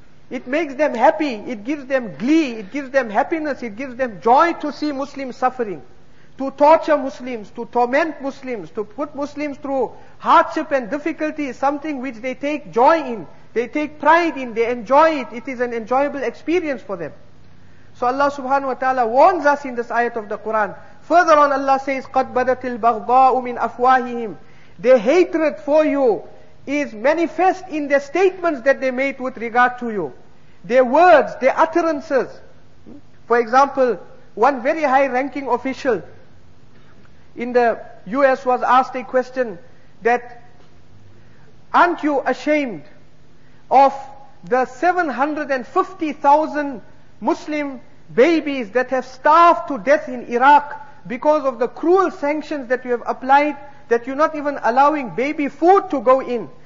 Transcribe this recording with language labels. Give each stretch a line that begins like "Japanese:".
English: It makes them happy, it gives them glee, it gives them happiness, it gives them joy to see Muslims suffering, to torture Muslims, to torment Muslims, to put Muslims through hardship and difficulty is something which they take joy in. They take pride in, they enjoy it, it is an enjoyable experience for them. So Allah subhanahu wa ta'ala warns us in this ayat of the Quran. Further on Allah says,
Arabic: قَدْ بَدَتِ الْبَغْضَاءُ مِنْ أَفْوَاهِهِمْ.
English: Their hatred for you is manifest in the statements that they made with regard to you. Their words, their utterances. For example, one very high ranking official in the US was asked a question that, aren't you ashamed of the 750,000 Muslim babies that have starved to death in Iraq because of the cruel sanctions that you have applied, that you're not even allowing baby food to go in.